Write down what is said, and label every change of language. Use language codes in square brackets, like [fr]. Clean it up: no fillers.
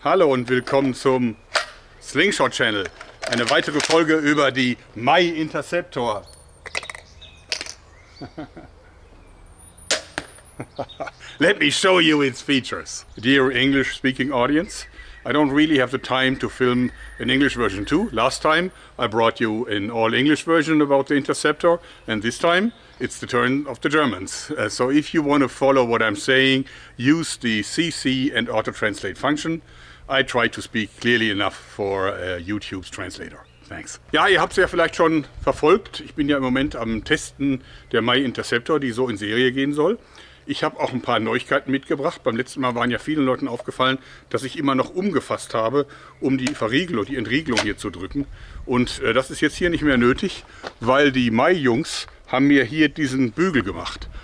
[de] Hallo und willkommen zum Slingshot Channel. Eine weitere Folge über die Mai Interceptor. [en] Let me show you its features. Dear English speaking audience, I don't really have the time to film an English version too. Last time I brought you an all English version about the Interceptor, and this time it's the turn of the Germans. So if you want to follow what I'm saying, use the CC and auto translate function. I try to speak clearly enough for YouTube's translator. Thanks. [de] Ja, ihr habt es ja vielleicht schon verfolgt. Ich bin ja im Moment am Testen der Mai Interceptor, die so in Serie gehen soll. Ich habe auch ein paar Neuigkeiten mitgebracht. Beim letzten Mal waren ja vielen Leuten aufgefallen, dass ich immer noch umgefasst habe, um die Verriegelung, die Entriegelung hier zu drücken. Und das ist jetzt hier nicht mehr nötig, weil die Mai-Jungs haben mir hier diesen Bügel gemacht.